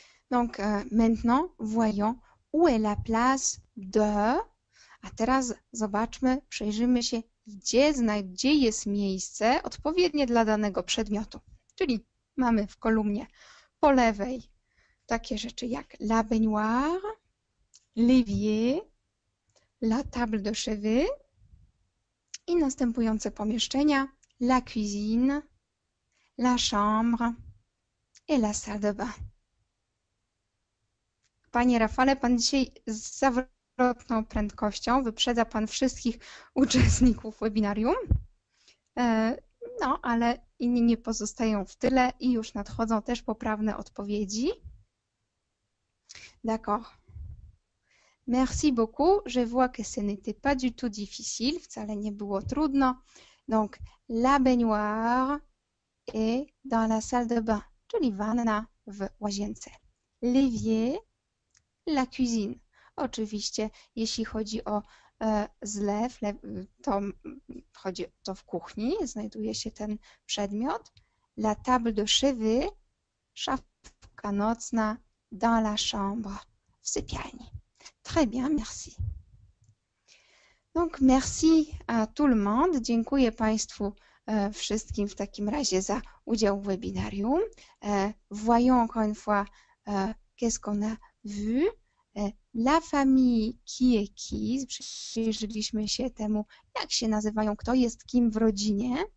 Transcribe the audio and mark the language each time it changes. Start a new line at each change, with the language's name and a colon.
French: Donc maintenant voyons où est la place de.
Polish: A teraz przyjrzymy się, gdzie jest miejsce odpowiednie dla danego przedmiotu. Czyli mamy w kolumnie po lewej takie rzeczy jak la baignoire, l'évier, la table de chevet i następujące pomieszczenia: la cuisine, la chambre et la salle de bain. Panie Rafale, pan dzisiaj zawrotną prędkością wyprzedza pan wszystkich uczestników webinarium. No, ale inni nie pozostają w tyle i już nadchodzą też poprawne odpowiedzi.
French: D'accord. Merci beaucoup. Je vois que ce n'était pas du tout difficile.
Polish: Wcale nie było trudno.
French: Donc, la baignoire est dans la salle de bain,
Polish: czyli wanna w łazience.
French: L'évier, la cuisine.
Polish: Oczywiście, jeśli chodzi o zlew, to chodzi to w kuchni, znajduje się ten przedmiot.
French: La table de chevet,
Polish: szafka nocna,
French: dans la chambre,
Polish: w sypialni.
French: Très bien, merci. Donc, merci à tout le monde.
Polish: Dziękuję Państwu wszystkim w takim razie za udział w webinarium.
French: Voyons encore une fois qu'est-ce qu'on a vu. La famille qui est qui.
Polish: Przyjrzeliśmy się temu, jak się nazywają, kto jest kim w rodzinie.